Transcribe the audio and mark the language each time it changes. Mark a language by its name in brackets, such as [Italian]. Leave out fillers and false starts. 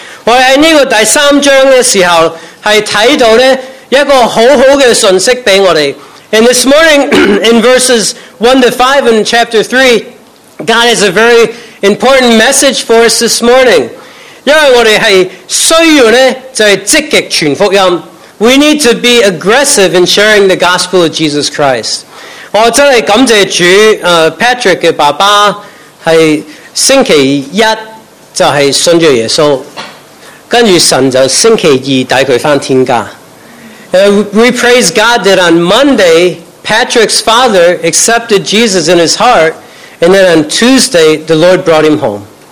[Chinese] 我們在這個第三章的時候是看到一個很好的訊息給我們。 [English] And this morning, in verses 1 to 5 in chapter 3, God is a very important message for us this morning. [Chinese] 因为我们是需要呢，就是积极传福音。 [English] We need to be aggressive in sharing the gospel of Jesus Christ. [Chinese] 我真的感谢主， Patrick的爸爸 是星期一就是信了耶稣， 跟着神就星期二带他回天家。 [English] We praise God that on Monday Patrick's father accepted Jesus in his heart, and then on Tuesday, the Lord brought him home.